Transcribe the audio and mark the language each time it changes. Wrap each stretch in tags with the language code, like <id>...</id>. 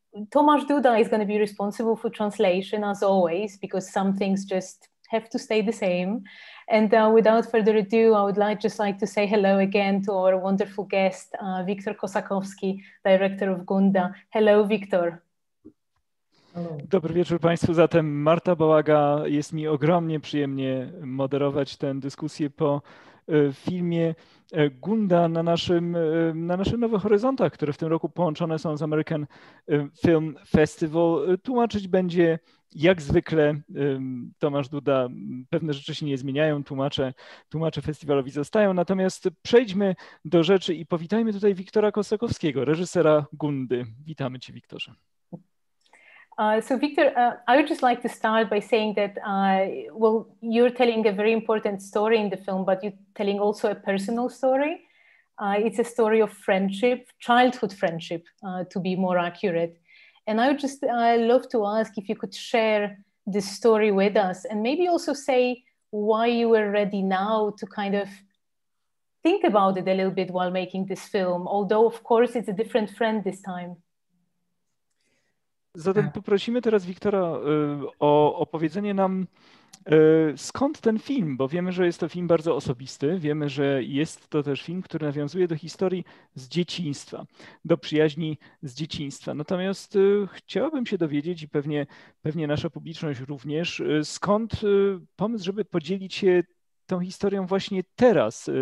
<en>Tomasz Duda is going to be responsible for translation, as always, because some things just have to stay the same. And without further ado, I would like just like to say hello again to our wonderful guest, Viktor Kossakovsky, director of Gunda. Hello, Viktor.</en> <pl>Dobry wieczór Państwu. Zatem Marta Bałaga, jest mi ogromnie przyjemnie moderować tę dyskusję po filmie Gunda na naszym Nowych Horyzontach, które w tym roku połączone są z American Film Festival. Tłumaczyć będzie, jak zwykle, Tomasz Duda. Pewne rzeczy się nie zmieniają, tłumacze festiwalowi zostają. Natomiast przejdźmy do rzeczy i powitajmy tutaj Wiktora Kossakovskiego, reżysera Gundy. Witamy Cię, Wiktorze.</pl> <en>So, Victor, I would just like to start by saying that, well, you're telling a very important story in the film, but you're telling also a personal story. It's a story of friendship, childhood friendship, to be more accurate. And I would just love to ask if you could share this story with us and maybe also say why you were ready now to kind of think about it a little bit while making this film, although, of course, it's a different friend this time.</en> <pl>Zatem poprosimy teraz Wiktora o opowiedzenie nam, skąd ten film, bo wiemy, że jest to film bardzo osobisty, wiemy, że jest to też film, który nawiązuje do historii z dzieciństwa, do przyjaźni z dzieciństwa. Natomiast chciałbym się dowiedzieć i pewnie nasza publiczność również, skąd pomysł, żeby podzielić się tą historią właśnie teraz?</pl>